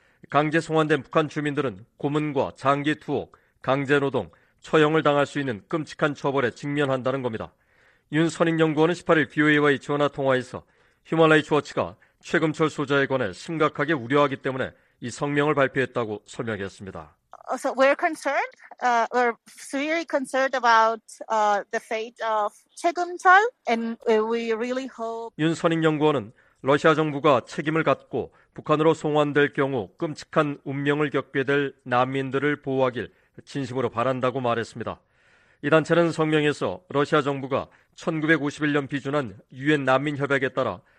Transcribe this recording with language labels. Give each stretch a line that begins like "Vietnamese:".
Korean: 강제송환된 북한 주민들은 고문과 장기투옥, 강제노동, 처형을 당할 수 있는 끔찍한 처벌에 직면한다는 겁니다. 윤 선임연구원은 18일 BOA와의 전화통화에서 휴먼라이츠워치가 최금철 소자에 관해 심각하게 우려하기 때문에 이 성명을 발표했다고 설명했습니다.
English: So we're concerned, we're very concerned about the fate of 최금철, and we really hope.
Korean: 윤 선임연구원은 러시아 정부가 책임을 갖고 북한으로 송환될 경우 끔찍한 운명을 겪게 될 난민들을 보호하길 진심으로 바란다고 말했습니다. 이 단체는 성명에서 러시아 정부가 1951년 비준한 유엔 난민 협약에 따라